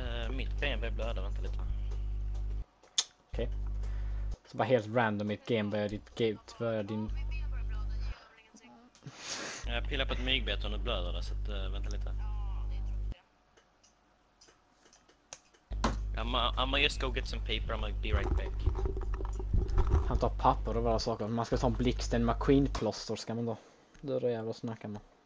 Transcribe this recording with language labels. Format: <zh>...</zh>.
<sv>Mitt ben börjar blöda, vänta lite. Okej. Okay. Så bara helt random mitt game börjar ditt game börjar din... Jag pillar på ett myggbett och nu blöder det, så att, vänta lite.</sv> <en>I'm gonna just go get some paper, I'm gonna be right back.</en> <sv>Han tar papper och bara saker. Man ska ta en blixten McQueen-plåster ska man då. Det är det jävla snackar man.</sv>